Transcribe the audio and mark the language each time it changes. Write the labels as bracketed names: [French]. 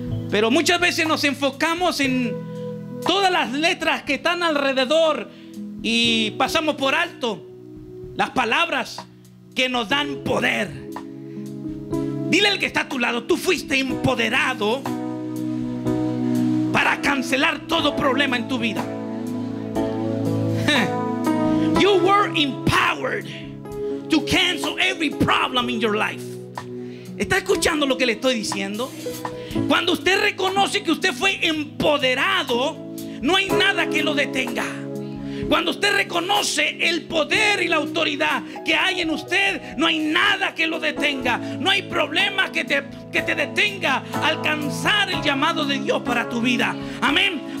[Spanish] Pero muchas veces nos enfocamos en todas las letras que están alrededor y pasamos por alto las palabras que nos dan poder. Dile al que está a tu lado: tú fuiste empoderado para cancelar todo problema en tu vida. [English] You were empowered to cancel every problem in your life. [Spanish] ¿Está escuchando lo que le estoy diciendo? Cuando usted reconoce que usted fue empoderado, no hay nada que lo detenga. Cuando usted reconoce el poder y la autoridad que hay en usted, no hay nada que lo detenga. No hay problema que te detenga a alcanzar el llamado de Dios para tu vida. Amén.